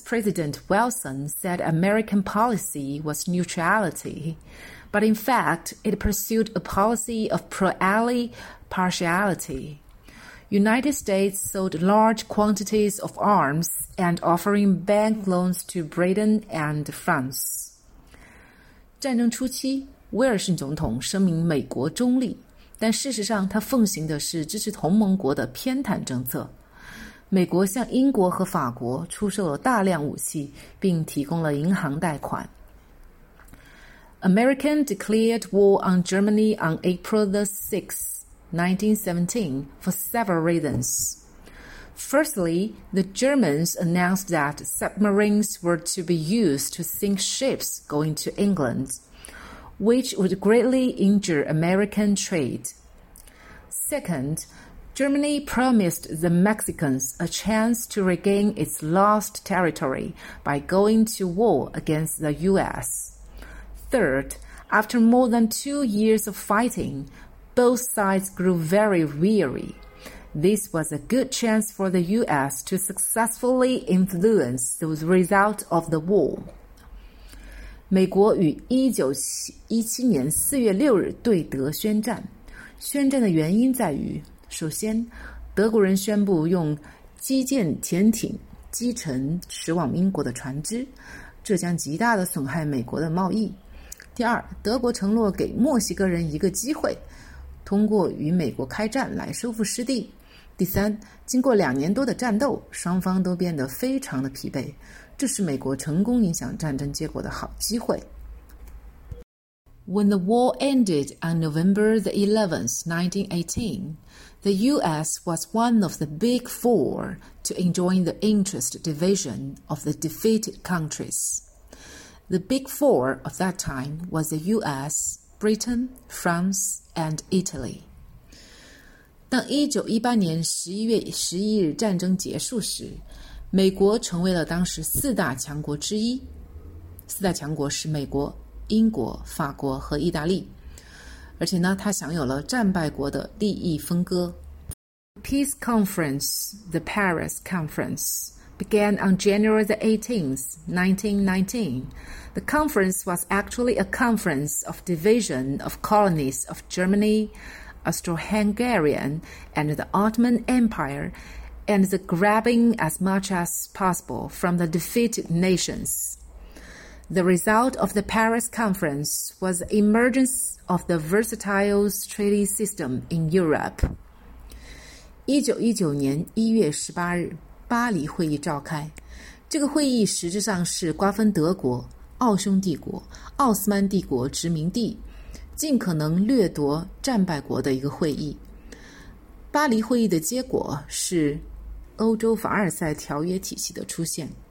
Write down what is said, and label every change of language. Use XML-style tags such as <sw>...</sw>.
<en>President Wilson said American policy was neutrality. But in fact, it pursued a policy of pro-ally partiality. United States sold large quantities of arms and offering bank loans to Britain and France.</en> <zh>战争初期，威尔逊总统声明美国中立，但事实上他奉行的是支持同盟国的偏袒政策。美国向英国和法国出售了大量武器，并提供了银行贷款。</zh> <en>America declared war on Germany on April the 6th, 1917, for several reasons. Firstly, the Germans announced that submarines were to be used to sink ships going to England, which would greatly injure American trade. Second, Germany promised the Mexicans a chance to regain its lost territory by going to war against the U.S. Third, after more than 2 years of fighting, both sides grew very weary. This was a good chance for the U.S. to successfully influence the result of the war.</en> <zh>美国于1917年4月6日对德宣战。宣战的原因在于，首先，德国人宣布用击舰潜艇击沉驶往英国的船只，这将极大地损害美国的贸易。第二，德国承诺给墨西哥人一个机会，通过与美国开战来收复失地。第三，经过两年多的战斗，双方都变得非常的疲惫，这是美国成功影响战争结果的好机会。</zh> <en>When the war ended on November the 11th, 1918, the U.S. was one of the big four to enjoy the interest division of the defeated countries. The big four of that time was the U.S., Britain, France, and Italy.</en> <zh>当1918年11月11日战争结束时，美国成为了当时四大强国之一。四大强国是美国、英国、法国和意大利。而且呢，它享有了战败国的利益分割。</zh> <en>Peace Conference, the Paris Conference. Began on January the 18th, 1919. The conference was actually a conference of division of colonies of Germany, Austro-Hungarian, and the Ottoman Empire, and the grabbing as much as possible from the defeated nations. The result of the Paris Conference was the emergence of the Versailles Treaty System in Europe.</en> <zh>1919年1月18日巴黎会议召开，这个会议实质上是瓜分德国、奥匈帝国、奥斯曼帝国殖民地，尽可能掠夺战败国的一个会议。巴黎会议的结果是欧洲凡尔赛条约体系的出现。</zh>